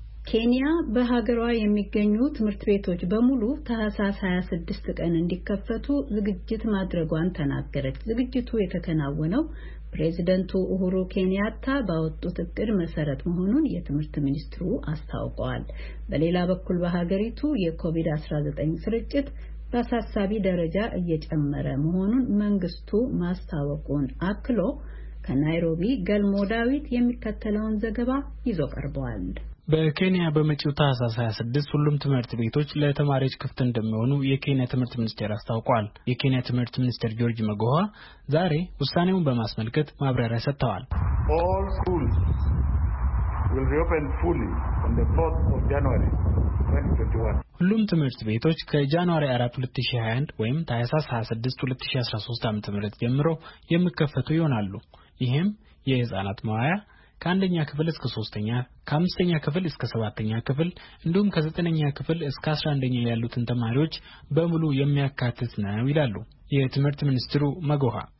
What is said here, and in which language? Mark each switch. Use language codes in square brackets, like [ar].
[am] ኬንያ በሀገሯ የሚገኙ ትምህርት ቤቶች በሙሉ ታህሳስ 26 ቀን እንዲከፈቱ ዝግጅት ማድረጓን ተናገረች። ዝግጅቱ የተከናወነው ፕሬዝደንቱ ኡሁሩ ኬንያታ ባወጡት እቅድ መሰረት መሆኑን የትምህርት ሚኒስትሩ አስታውቋል። በሌላ በኩል በሀገሪቱ የኮቪድ-19 ስርጭት በአሳሳቢ ደረጃ እየጨመረ መሆኑን መንግስቱ ማስታወቁን አክሎ ከናይሮቢ ገልሞ ዳዊት የሚከተለውን ዘገባ ይዞ ቀርቧል። በኬንያ በመጪው ታህሳስ 26 ሁሉም ትምህርት ቤቶች ለተማሪዎች ክፍት እንደሚሆኑ የኬንያ ትምህርት ሚኒስቴር አስታውቋል። የኬንያ ትምህርት ሚኒስቴር ጆርጅ መጎሃ ዛሬ ውሳኔውን በማስመልከት ማብራሪያ ሰጥተዋል። [en] All schools will reopen fully on the 4th of January. [am] ሁሉም ትምህርት ቤቶች ከጃንዋሪ 4 2021 ወይም ታህሳስ 26 2013 ዓ.ም ጀምሮ የሚከፈቱ ይሆናሉ። ይህም የህፃናት መዋያ፣ ከአንደኛ ክፍል እስከ ሶስተኛ፣ ከአምስተኛ ክፍል እስከ ሰባተኛ ክፍል እንዲሁም ከዘጠነኛ ክፍል እስከ 11ኛ ያሉትን ተማሪዎች በሙሉ የሚያካትት ነው ይላሉ የትምህርት ሚኒስትሩ መጎሃ።